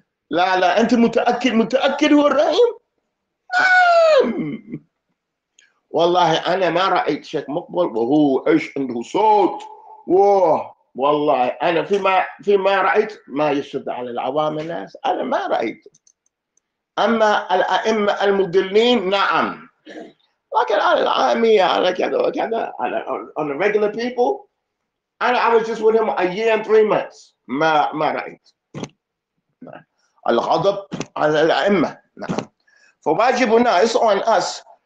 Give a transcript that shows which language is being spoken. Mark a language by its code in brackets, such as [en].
[ar] لا أنت متأكد هو الرحيم؟ نعم والله أنا ما رأيت شيخ مقبل وهو إيش عنده صوت، والله أنا فيما رأيت ما يشد على العوام الناس، أنا ما رأيت. أما الأئمة المدلين نعم، لكن على العامية على كذا وكذا على [en] on the regular people and I was just with him a year and 3 months. [ar] ما رأيت الغضب على الأئمة. نعم فواجبنا [en] is on us.